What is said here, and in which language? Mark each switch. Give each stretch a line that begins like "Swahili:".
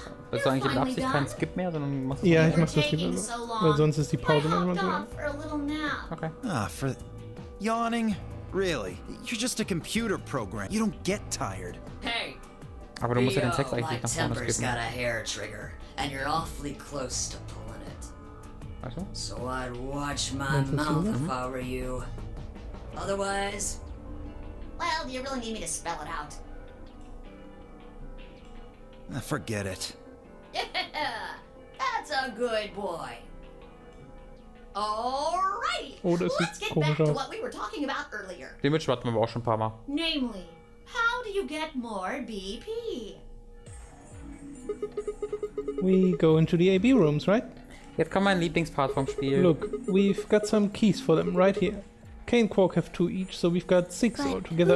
German: Das ist eigentlich mit Absicht kein Skip mehr, sondern machst du das. Ja, ich mach das lieber so. Weil sonst ist die Pause immer so. Okay.
English: Ah, for yawning? Really? You're just a computer program. You don't get tired. Hey.
German: Aber du musst ja den Text eigentlich nicht nach vorne skippen.
English: Got a hair trigger, and you're awfully close to pulling it.
German: Also?
English: So I'd watch my mouth if I were you. Otherwise. Well, do you really need me to spell it out? Forget it. Yeah, that's a good boy. Alrighty, oh, let's get back to what we were talking about earlier.
German: Den Mitch warten wir auch schon ein paar Mal.
English: Namely, how do you get more BP? We go into the AB rooms, right?
German: Jetzt kommt mein Lieblingspart vom Spiel.
English: Look, we've got some keys for them right here. Kane Quark have two each, so we've got six all together.